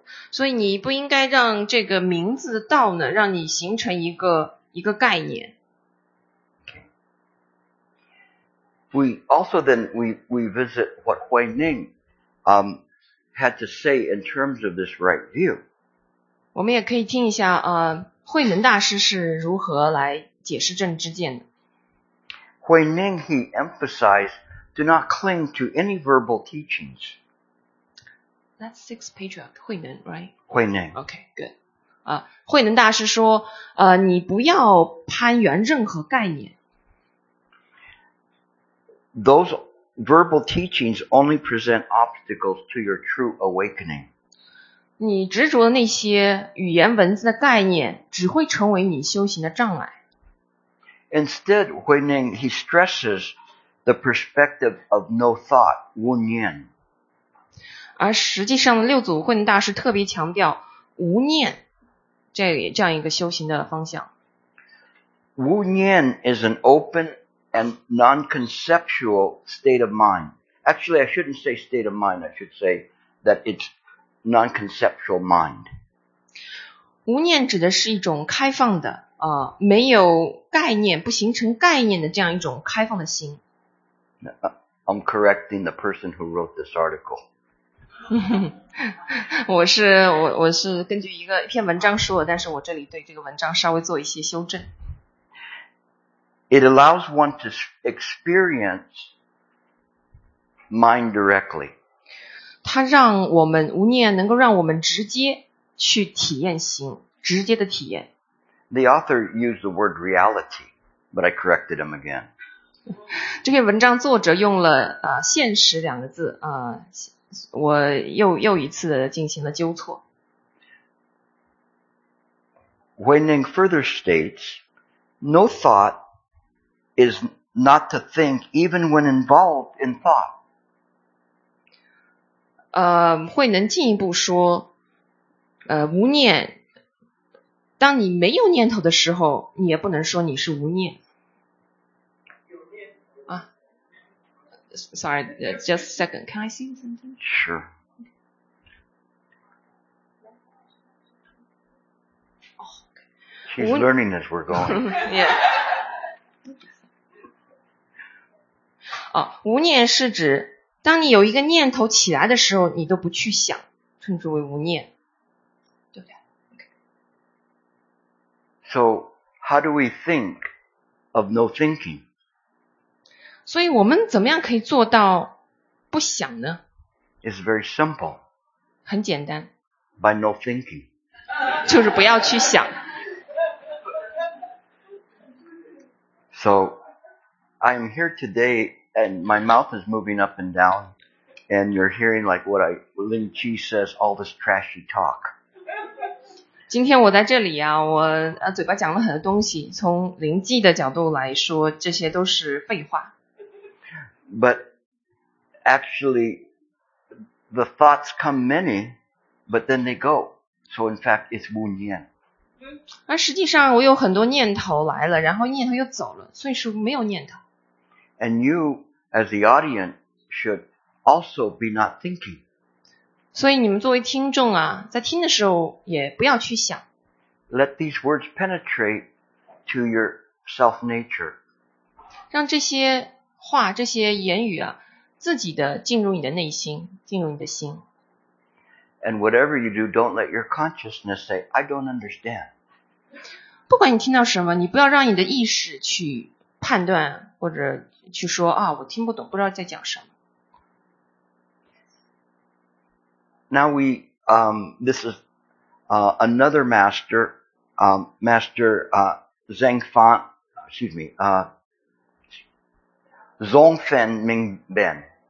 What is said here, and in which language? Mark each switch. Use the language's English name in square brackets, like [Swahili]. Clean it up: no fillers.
[English] So you [Chinese] 不应该让这个名字的道呢，让你形成一个概念。 [English] Okay. We visit what Hui Ning, had to say in terms of this right view. [Chinese] 我们也可以听一下慧能大师是如何来解释正知见的。 [English] Hui Ning, he emphasized, do not cling to any verbal teachings. That's six patriarch, 慧能, right? [Chinese] 慧能。 [English] Okay, good. [Chinese] 慧能大师说你不要攀缘任何概念。 [English] Those... Verbal teachings only present obstacles to your true awakening. [Chinese] 你执着的那些语言文字的概念只会成为你修行的障碍。 [English] Instead, Hui Ning, he stresses the perspective of no thought, Wu Nian. [Chinese] 而实际上六祖慧能大师特别强调无念这样一个修行的方向。 [English] Wu Nian is an open,and non-conceptual state of mind. Actually, I shouldn't say state of mind. I should say that it's non-conceptual mind. [Chinese] 无念指的是一种开放的没有概念不形成概念的这样一种开放的心。 [English] I'm correcting the person who wrote this article. [Chinese] 我是根据一篇文章说的，但是我这里对这个文章稍微做一些修正。 [English] It allows one to experience mind directly. [Chinese] 它让我们无念能够让我们直接去体验行，直接的体验。 [English] The author used the word reality, but I corrected him again. [Chinese] 这篇文章作者用了现实两个字我又一次进行了纠错。 [English] Wenning further states, no thought is not to think even when involved in thought. [Chinese] 慧能进一步说无念当你没有念头的时候你也不能说你是无念。 [English] Sorry, just a second. Can I see something? Sure. She's learning as we're going. Yeah. [Chinese] 无念是指当你有一个念头起来的时候你都不去想称之为无念。对不对 [English] So, how do we think of no thinking? [Chinese] 所以我们怎么样可以做到不想呢 [English] ？It's very simple. [Chinese] 很简单。 [English] By no thinking. [Chinese] 就是不要去想。 [English] So, I'm here today, and my mouth is moving up and down, and you're hearing like what Lin Chi says, all this trashy talk. [Chinese] 今天我在这里我嘴巴讲了很多东西，从林记的角度来说，这些都是废话。 [English] But actually, the thoughts come many, but then they go. So in fact, it's 无念。 [Chinese] 而实际上，我有很多念头来了，然后念头又走了，所以是没有念头。 [English] And you, as the audience, should also be not thinking. [Chinese] 所以你们作为听众在听的时候也不要去想。 [English] Let these words penetrate to your self nature. [Chinese] 让这些话这些言语自己的进入你的内心，进入你的心。 [English] And whatever you do, don't let your consciousness say, I don't understand. [Chinese] 不管你听到什么，你不要让你的意识去判断或者去说我听不懂，不知道在讲什么。 [English] Now we, this is another master, Master Zhengfan, excuse me, Zongfen Mingben.